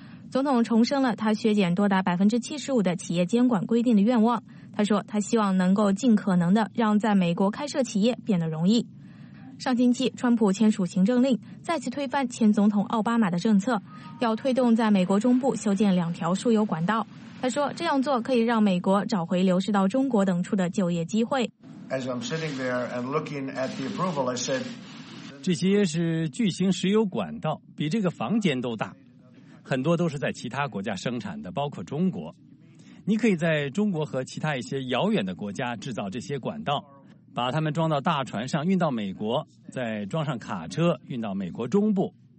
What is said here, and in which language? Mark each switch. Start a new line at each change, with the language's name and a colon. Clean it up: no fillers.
Chinese: 总统重申了他削减多达75%的企业监管规定的愿望，他说他希望能够尽可能的让在美国开设企业变得容易。上星期川普签署行政令，再次推翻前总统奥巴马的政策，要推动在美国中部修建两条输油管道。他说这样做可以让美国找回流失到中国等处的就业机会。
English: As I'm sitting there and looking at the approval, I said,
Chinese: 这些是巨型石油管道，比这个房间都大，很多都是在其他国家生产的，包括中国。你可以在中国和其他一些遥远的国家制造这些管道，把它们装到大船上运到美国，再装上卡车运到美国中部。